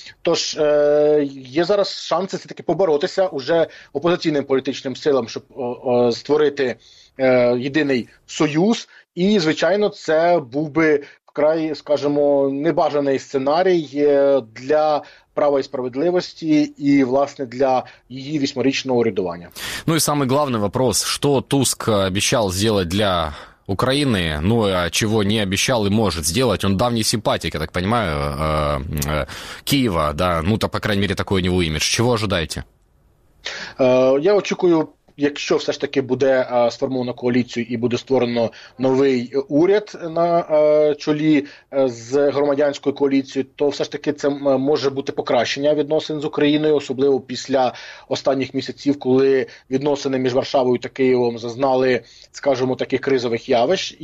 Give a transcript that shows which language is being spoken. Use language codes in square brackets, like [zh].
[uk] Тож є зараз шанси все-таки поборотися уже опозиційним політичним силам, щоб створити єдиний союз. І, звичайно, це був би вкрай, скажімо, небажаний сценарій для права і справедливості і, власне, для її восьмирічного урядування. [ru] Ну і самый главный вопрос, что Туск обещал сделать для Украины, ну, а чего не обещал и может сделать, он давний симпатик, я так понимаю, Киева, да, ну-то, по крайней мере, такой у него имидж. Чего ожидаете? [uk] Я очікую, якщо все ж таки буде сформовано коаліцію і буде створено новий уряд на чолі з громадянською коаліцією, то все ж таки це може бути покращення відносин з Україною, особливо після останніх місяців, коли відносини між Варшавою та Києвом зазнали, скажімо, таких кризових явищ.